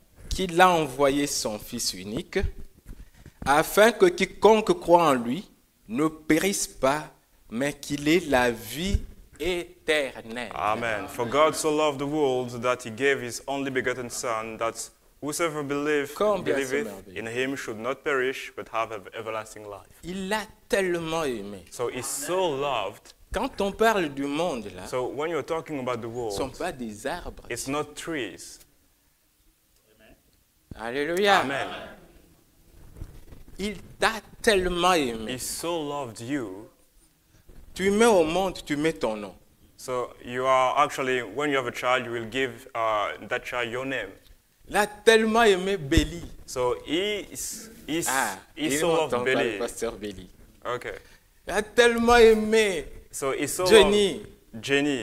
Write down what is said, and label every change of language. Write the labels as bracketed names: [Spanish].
[French] Qu'il a envoyé son fils unique afin que quiconque croit en lui ne périsse pas, mais qu'il ait la vie éternelle. Amen. [English] For God so loved the world that he gave his only begotten son, that whosoever believeth in him should not perish, but have everlasting life. [French] Il l'a tellement aimé. [English] So he so loved. [French] Quand on parle du monde, là, [English] so when you're talking about the world, [French] ce sont pas des arbres. [English] It's not trees. Alléluia. Amen. [French] Il t'a tellement aimé. [English] He so loved you. [French] Tu mets au monde, tu mets ton nom. [English] So you are actually, when you have a child, you will give that child your name. [French] Il a tellement aimé Belly. [English] So he so loved Belly. [French] Ah, il entend pas le pasteur Belly. [English] Okay. [French] Il a tellement aimé. [English] So he so Jenny. Loved Jenny.